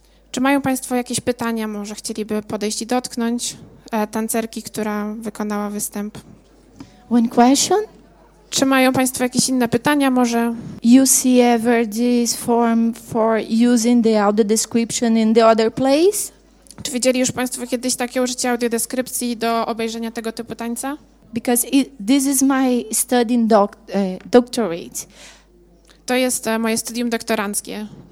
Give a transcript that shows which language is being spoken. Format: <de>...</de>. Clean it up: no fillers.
<pl>Czy mają Państwo jakieś pytania, może chcieliby podejść i dotknąć tancerki, która wykonała występ?</pl> <en>One question?</en> <pl>Czy mają Państwo jakieś inne pytania, może?</pl> <en>You see ever this form for using the audio description in the other place?</en> <pl>Czy widzieli już Państwo kiedyś takie użycie audiodeskrypcji do obejrzenia tego typu tańca?</pl> <en>Because this is my studying doctorate.</en> <pl>To jest moje studium doktoranckie.</pl>